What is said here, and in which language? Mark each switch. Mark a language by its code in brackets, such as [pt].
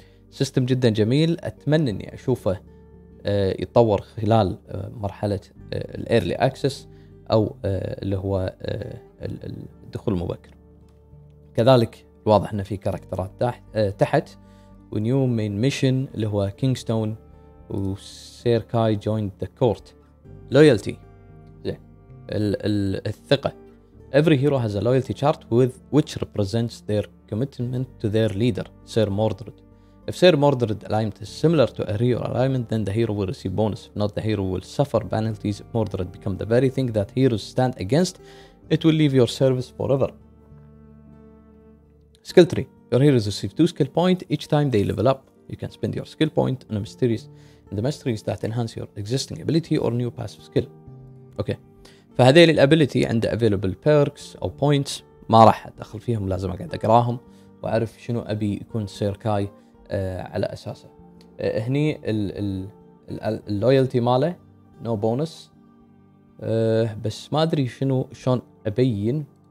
[ar] سيستم جدا جميل, اتمنى اني اشوفه يتطور خلال مرحله الايرلي اكسس او اللي هو الدخول المبكر. كذلك واضح ان في كاركترات تحت ونيو مين ميشن اللي هو كينغستون وسيركاي جويند ذا كورت لويالتي الثقة. [en] Every hero has a loyalty chart with which represents their commitment to their leader, Sir Mordred. If Sir Mordred alignment is similar to a hero alignment, then the hero will receive bonus. If not, the hero will suffer penalties. If Mordred become the very thing that heroes stand against, it will leave your service forever. Skill tree. Your heroes receive 2 skill points each time they level up. You can spend your skill point on a mysterious in the mysteries that enhance your existing ability or new passive skill. Okay. [ar] فهذه الابيليتي عند available perks او points ما راح ادخل فيهم, لازم اقعد اقراهم واعرف شنو ابي يكون سيركاي على اساسه. هني اللويالتي ماله [en] no bonus, [ar] بس ما ادري شنو شلون ابين.